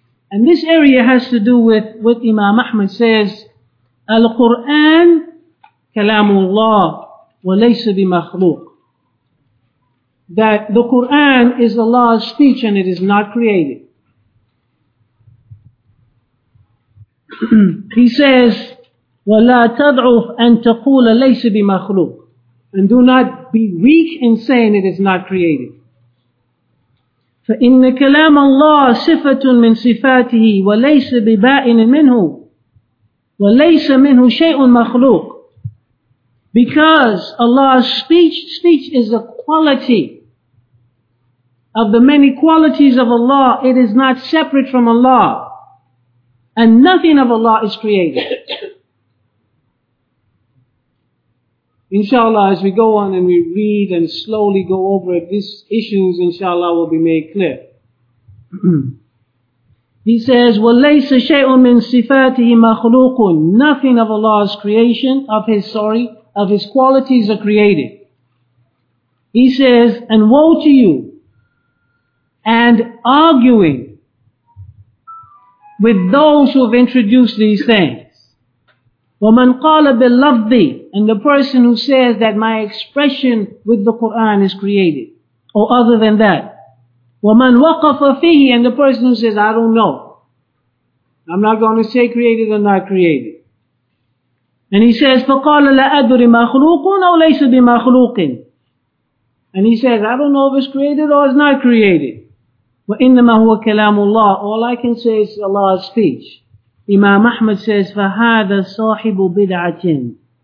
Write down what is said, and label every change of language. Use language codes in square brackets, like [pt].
[en] And this area has to do with what Imam Ahmad says, [ar] Al-Qur'an kalamullah wa laysa bimakhluq. [en] That the Qur'an is Allah's speech and it is not created. He says, [ar] وَلَا تَضْعُفْ أَن تَقُولَ لَيْسَ بِمَخْلُوقٍ. [en] And do not be weak in saying it is not created. [ar] فَإِنَّ كَلَامَ اللَّهِ صِفَةٌ مِنْ صِفَاتِهِ وَلَيْسَ بِبَائِنٍ مِنْهُ وَلَيْسَ مِنْهُ شَيْءٌ مَخْلُوقٍ. [en] Because Allah's speech is a quality. Of the many qualities of Allah, it is not separate from Allah. And nothing of Allah is created. Inshallah, as we go on and we read and slowly go over it, these issues, inshallah, will be made clear. He says, [ar] وَلَيْسَ شَيْءٌ مِنْ صِفَاتِهِ مَخْلُوقٌ. [en] Nothing of Allah's creation, of His qualities are created. He says, and woe to you, and arguing, with those who have introduced these things. [ar] وَمَنْ قَالَ بِاللَّفْظِ. [en] And the person who says that my expression with the Qur'an is created. Or other than that. [ar] وَمَنْ وَقَفَ فِيهِ. [en] And the person who says, I don't know. I'm not going to say created or not created. And he says, [ar] فَقَالَ لَأَدْرِ مَخْلُوقٌ أَوْ لَيْسَ بِمَخْلُوقٍ. [en] And he says, I don't know if it's created or it's not created. [ar] وَإِنَّمَا هُوَ كَلَامُ اللَّهِ. [en] All I can say is Allah's speech. Imam Ahmad says, [ar] فَهَذَا صَاحِبُ بِدْعَةٍ.